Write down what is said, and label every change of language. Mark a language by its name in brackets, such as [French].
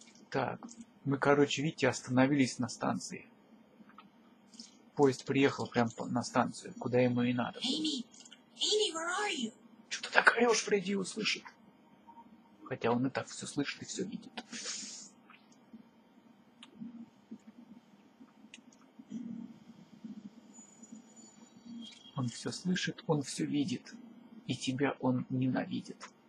[Russian] Так, мы, короче, видите, остановились на станции. Поезд приехал прямо на станцию, куда ему и надо. [English] Эми, where are you? [Russian] Что ты так орёшь, Фредди услышит? Хотя он и так всё слышит и всё видит. Он все слышит, он все видит. И тебя он ненавидит.